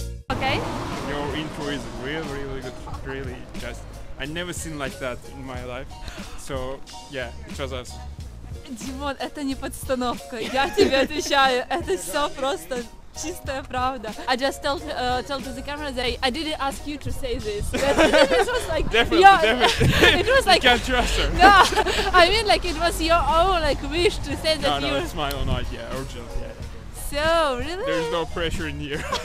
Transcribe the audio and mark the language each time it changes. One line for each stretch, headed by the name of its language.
English: Okay. Your intro is really, really good. Really, just I never seen like that in my life. So, yeah, it was us.
Russian: Димон, это не подстановка. Я тебе отвечаю. Это все просто чистая правда.
English: I just told to the camera that I didn't ask you to say this. This was like definitely. It was like you can't trust her. No, I mean like it was your own like wish to say that. No, it's my own idea. Urgent, yeah. So really, there's no pressure in here.